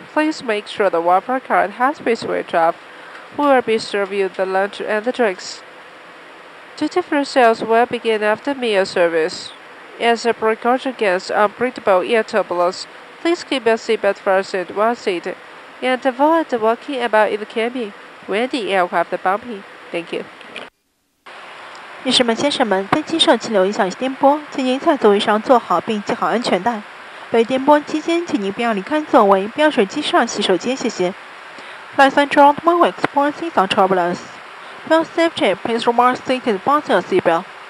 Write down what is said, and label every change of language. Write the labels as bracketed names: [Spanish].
[English] Please make sure the Wi-Fi card has been switched off. We will be serving you the lunch and the drinks. Duty-free sales will begin after meal service. As a precaution against unpredictable air turbulence, please keep your seatbelt fastened while seated and avoid walking about in the cabin. When the aircraft bumping, thank you. [Chinese] 女士们、先生们，飞机受气流影响颠簸，请您在座位上坐好并系好安全带。被颠簸期间，请您不要离开座位，不要随机上洗手间，谢谢。 [English] Ladies and gentlemen, we're experiencing some turbulence. For safety, please remain seated, fasten your seatbelt.